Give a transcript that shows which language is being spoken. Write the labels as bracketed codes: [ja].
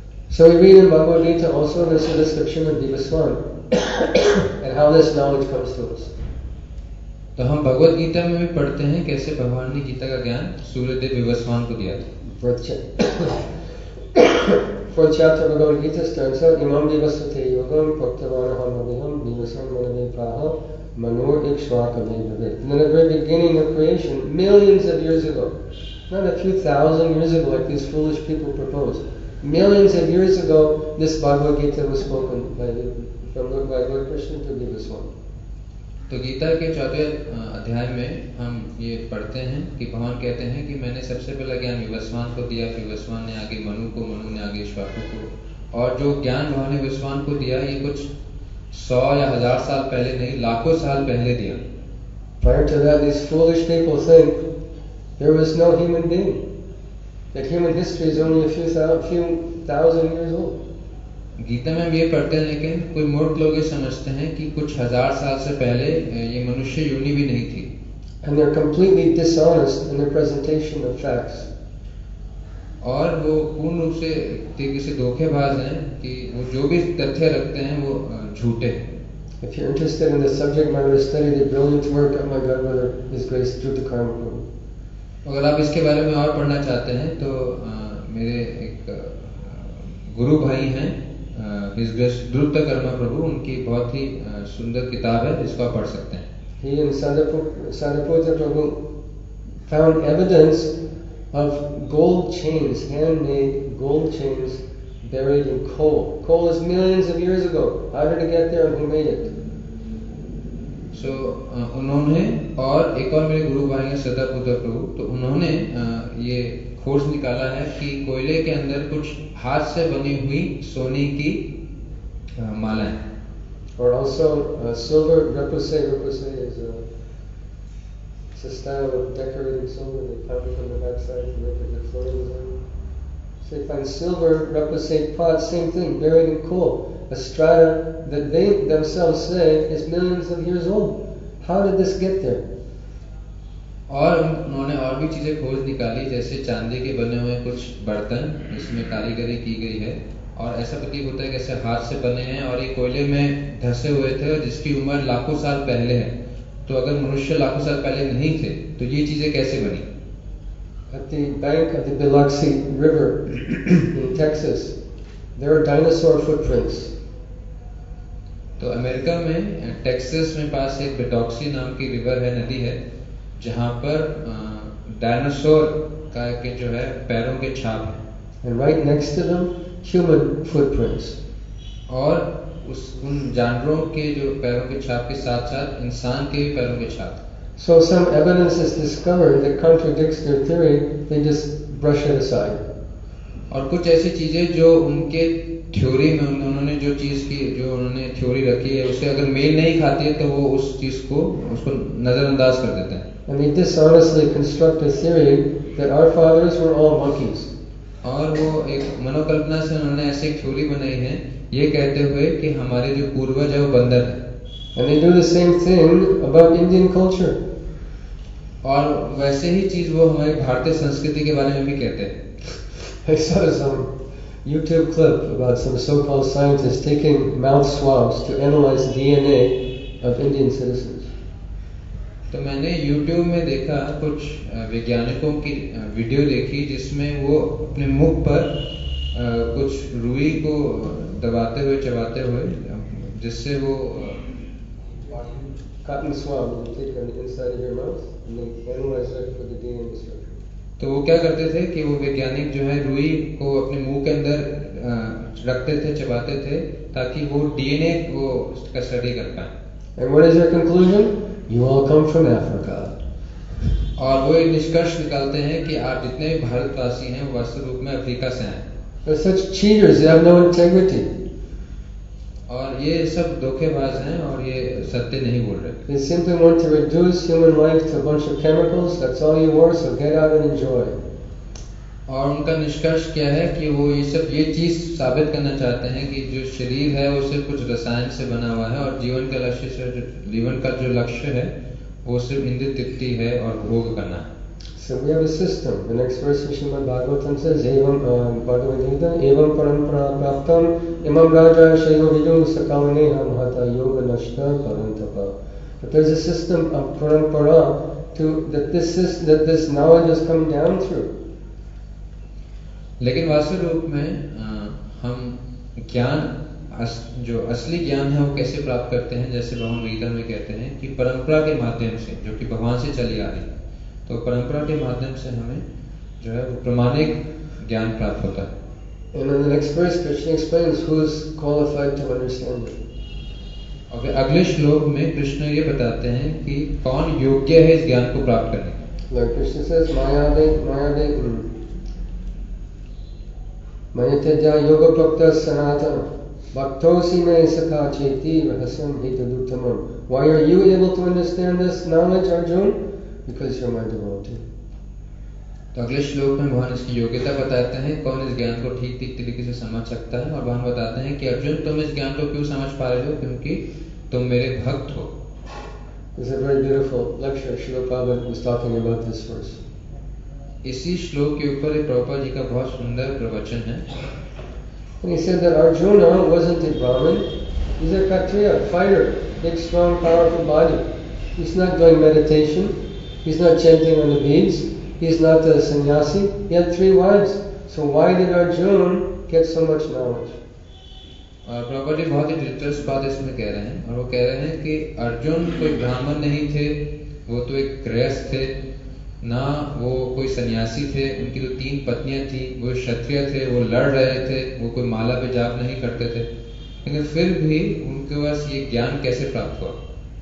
[en] So we read in Bhagavad Gita also this description of Deva Swam and how this knowledge comes to us. [hi] तो हम भगवत गीता में भी पढ़ते हैं कैसे भगवान ने गीता का ज्ञान सूर्यदेव विवस्वान को दिया था. [en] For chapter Bhagavad Gita starts out, [sa] Imam Devasate Yogam Praktavanaham Abhiham Devasam Manave Praha Manur Ikshvakave Vave. [en] And then at the very beginning of creation, millions of years ago, not a few thousand years ago like these foolish people propose, millions of years ago, this Bhagavad Gita was spoken by Lord Krishna to Devasam. [hi] तो गीता के 14 अध्याय में हम ये पढ़ते हैं कि भगवान कहते हैं कि मैंने सबसे पहला ज्ञान विवस्वान को दिया, फिर विवस्वान ने आगे मनु को, मनु ने आगे इक्ष्वाकु को, और जो ज्ञान भगवान ने विवस्वान को दिया ये कुछ 100 या 1000 साल पहले नहीं, लाखों साल पहले दिया. [en] Prior to that, these foolish people think there was no human being. That human history is only a few thousand years old. [hi] Gita में हम ये पढ़ते हैं, लेकिन कोई मूर्ख लोग ये समझते हैं कि कुछ हजार साल से पहले ये मनुष्य योनि भी नहीं थी। [en] And they're completely dishonest in their presentation of facts. [hi] और वो पूर्ण रूप से तरीके से धोखेबाज हैं कि वो जो भी तथ्य रखते हैं वो झूठे हैं। [en] If you're interested in the subject matter, study the brilliant work of my godmother, His Grace Jyoti Karmapur. [hi] अगर आप इसके बारे में और पढ़ना चाहते हैं तो मेरे एक गुरु भाई हैं His Grace Jyoti Karmapur, उनकी बहुत ही सुंदर किताब है जिसको आप पढ़ सकते हैं। [en] He and Sadapota Prabhu found evidence of gold chains, handmade gold chains buried in coal. Coal is millions of years ago. How did it get there and who made it? [hi] So, उन्होंने और एक और मेरे गुरु भाई हैं सदापुत्र प्रभु, तो उन्होंने ये खोज निकाला है कि कोयले के अंदर कुछ हाथ से बनी हुई सोने की माला है। [en] Or also silver repoussé. Repoussé is a style of decorating silver. They pop it from the backside and make it the floating zone. So they find silver repoussé pots, same thing, buried in coal, a strata that they themselves say is millions of years old. How did this get there? [hi] और उन्होंने और भी चीजें खोज निकाली, जैसे चांदी के बने हुए कुछ बर्तन जिसमें कारीगरी की गई है, और ऐसा प्रतीक होता है कि ऐसे हाथ से बने हैं और ये कोयले में धसे हुए थे जिसकी उम्र लाखों साल पहले है। तो अगर मनुष्य लाखों साल पहले नहीं थे तो ये चीजें कैसे बनी? [en] At the bank of the Biloxi River in Texas, there are dinosaur footprints. [hi] तो अमेरिका में टेक्सास में पास एक बिटॉक्सी नाम की रिवर है, नदी है, जहां पर डायनासोर का के जो है पैरों के छाप है। [en] And right next to them, human footprints. [hi] और उस उन जानवरों के जो पैरों के छाप के साथ साथ इंसान के भी पैरों के छाप। [en] So some evidence is discovered that contradicts their theory, they just brush it aside. [hi] और कुछ ऐसी चीजें जो उनके थ्योरी में उन्होंने जो चीज की जो उन्होंने थ्योरी रखी है उसे अगर मेल नहीं खाती है तो वो उस चीज को उसको नजरअंदाज कर देते हैं। [en] And they dishonestly construct a theory that our fathers were all monkeys. [hi] और वो एक मनोकल्पना से उन्होंने ऐसे एक थ्योरी बनाई है ये कहते हुए कि हमारे जो पूर्वज है वो बंदर है। [en] And they do the same thing about Indian culture. [hi] और वैसे ही चीज वो हमारे भारतीय संस्कृति के बारे में भी कहते हैं। [en] I saw some YouTube clip about some so-called scientists taking mouth swabs to analyze DNA of Indian citizens. [hi] तो मैंने YouTube में देखा कुछ वैज्ञानिकों की वीडियो देखी जिसमें वो अपने मुख पर कुछ रुई को दबाते हुए चबाते हुए जिससे वो तो वो क्या करते थे कि वो वैज्ञानिक जो है रुई को अपने मुंह के अंदर रखते थे, चबाते थे ताकि वो DNA को का स्टडी कर पाए। [en] And what is your conclusion? You all come from Africa. [hi] और वो निष्कर्ष निकालते हैं कि आप जितने भी भारतवासी हैं वास्तव रूप में अफ्रीका से हैं। [en] They're such cheaters. They have no integrity. [hi] और ये सब धोखेबाज हैं और ये सत्य नहीं बोल रहे। [en] They simply want to reduce human life to a bunch of chemicals. That's all you want. So get out and enjoy. [hi] और उनका निष्कर्ष क्या है कि वो ये सब ये चीज साबित करना चाहते हैं कि जो शरीर है वो सिर्फ कुछ रसायन से बना हुआ है और जीवन का लक्ष्य से जीवन का जो लक्ष्य है वो सिर्फ इंद्र तृप्ति है और भोग करना। [en] So we have a system. The next verse of Srimad Bhagavatam says, [sa] "Evam Bhagavad Gita, Evam Parampara Praptam, Imam Raja Shaiva Vidu Sakamaneha Mahata Yoga Nashta Parantapa." [en] But there's a system of parampara that this knowledge has come down through. [hi] लेकिन वास्तव रूप में हम ज्ञान जो असली ज्ञान है वो कैसे प्राप्त करते हैं, जैसे भगवान गीता में कहते हैं कि परंपरा के माध्यम से, जो कि भगवान से चली आ रही, तो परंपरा के माध्यम से हमें जो है वो प्रमाणिक ज्ञान प्राप्त होता है। और अगले श्लोक में कृष्ण ये बताते हैं कि कौन योग्य है इस ज्ञान को प्राप्त करने का। [sa] मयत्यजा योगप्रोक्तः सनातन भक्तोऽसि मे सखा चेति रहस्यं हि तदुत्तमम्। [en] Why are you able to understand this knowledge, Arjuna? Because you're my devotee. [hi] तो अगले श्लोक में भगवान इसकी योग्यता बताते हैं, कौन इस ज्ञान को ठीक ठीक तरीके से समझ सकता है, और भगवान बताते हैं कि अर्जुन तुम इस ज्ञान को क्यों समझ पा रहे हो, क्योंकि तुम मेरे भक्त हो। [en] This is a very beautiful lecture. Srila Prabhupada was talking about this verse. [hi] इसी श्लोक के ऊपर प्रभुपाद जी का बहुत सुंदर प्रवचन है। [en] And he said that Arjuna wasn't a Brahmin. He's a Kshatriya, fighter, big, strong, powerful body. He's not doing meditation. He's not chanting on the beads. He's not a sannyasi. He had three wives. So why did Arjuna get so much knowledge? [hi] और प्रभुपाद जी बहुत ही दिलचस्प बात इसमें कह रहे हैं, और वो कह रहे हैं कि अर्जुन कोई ब्राह्मण नहीं थे, वो तो एक गृहस्थ थे, ना वो कोई सन्यासी थे, उनकी तो तीन पत्नियां थी, वो क्षत्रिय थे, वो लड़ रहे थे, वो कोई माला पे जाप नहीं करते थे, लेकिन फिर भी उनके पास ये ज्ञान कैसे प्राप्त हुआ?